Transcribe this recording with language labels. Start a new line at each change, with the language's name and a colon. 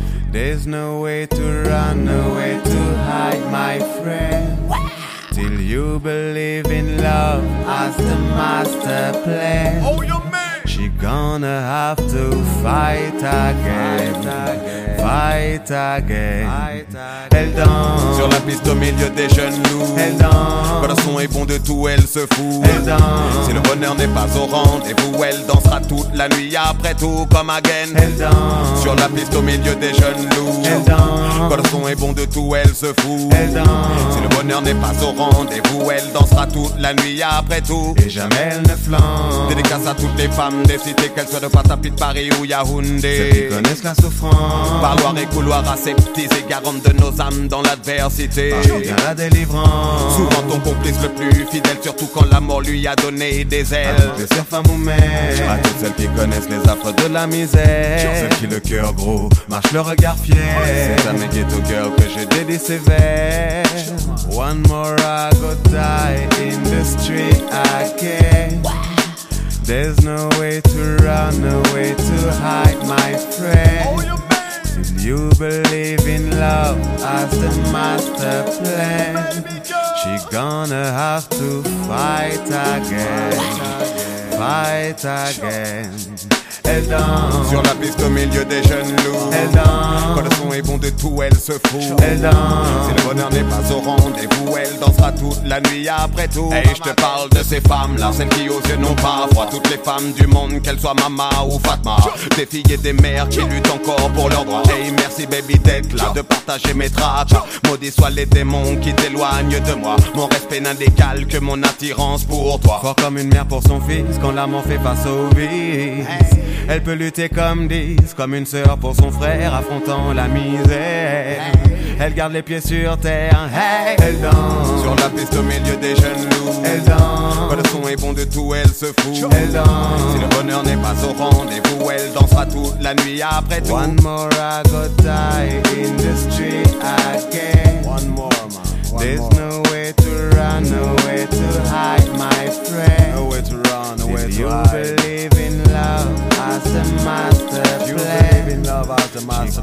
English: There's no way to run, no way to hide, my friend. Till you believe in love as the master plan. Oh, you're mad. She gonna have to fight again. Fight again. Fight again.
French: Elle danse sur la piste au milieu des jeunes loups. Elle danse. Quand le son est bon de tout, elle se fout. Elle danse. Si le bonheur n'est pas au rendez-vous, elle dansera toute la nuit après tout comme again. Elle danse sur la piste au milieu des jeunes loups. Elle danse. Quand le son est bon de tout, elle se fout. Elle danse. Si le bonheur n'est pas au rendez-vous, elle dansera toute la nuit après tout. Et jamais elle ne flanche. Dédicace à toutes les femmes des cités, qu'elles soient de Patapi, de Paris ou Yaoundé. Ceux qui connaissent la souffrance. Parloir et couloir aseptisés, garantes de nos âmes dans l'adversité. Bien la délivrance. Souvent ton complice le plus fidèle, surtout quand l'amour lui a donné des ailes. Je suis femme ou mère. À toutes celles qui connaissent les affres de la misère. Sur celles qui le cœur gros marche le regard fier. C'est à mes guides au cœur que je dédie ces vers.
English: One more I got died in the street again. There's no way to run, no way to hide, my friend. You believe in love as the master plan. She gonna have to fight again. Fight again.
French: Elle danse sur la piste au milieu des jeunes loups. Elle danse. Quand le son est bon de tout, elle se fout. Elle danse. Si le bonheur n'est pas au rendez-vous, elle dansera toute la nuit après tout. Et hey, je te parle de ces femmes-là, celles qui aux yeux n'ont pas froid. Toutes les femmes du monde, qu'elles soient Mama ou Fatma. Des filles et des mères qui luttent encore pour leurs droits. Hey, merci baby d'être là, de partager mes tracas. Maudits soient les démons qui t'éloignent de moi. Mon respect n'indécale que mon attirance pour toi. Fort comme une mère pour son fils, quand l'amour fait face au vice. Elle peut lutter comme 10, comme une sœur pour son frère, affrontant la misère. Elle garde les pieds sur terre, hey. Elle danse sur la piste au milieu des jeunes loups. Elle danse. Quand le son est bon de tout, elle se fout. Elle danse. Si le bonheur n'est pas au rendez-vous, elle dansera toute la nuit après tout.
English: One more I got died in the street again. One more, man. One There's more. No way to run, no way to hide, my friend. No way to run, no way Did to you hide. You believe in love as the master plan. You believe in love as the master